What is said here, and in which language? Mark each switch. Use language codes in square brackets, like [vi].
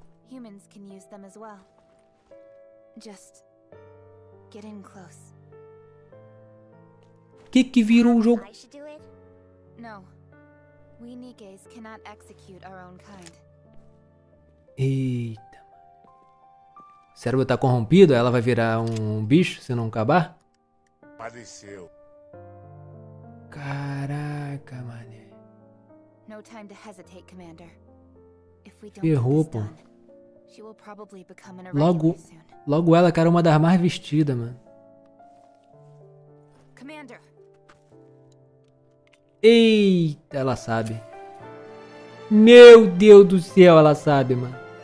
[en] Humans can use them as well. Just get in close. [pt] Que virou o jogo? Não. [en] We Nikes cannot execute our own kind. [pt] Eita. O cérebro tá corrompido? Ela vai virar um bicho se não acabar? Padeceu. Caraca, mané. [en] No time to hesitate, Commander. If we don't [pt] Ferrou, pô. [en] She will probably become an irregular soon. [pt] Logo ela, cara, uma das mais vestidas, mano. [en] Commander. [pt] Eita, ela sabe. Meu Deus do céu, ela sabe, mano.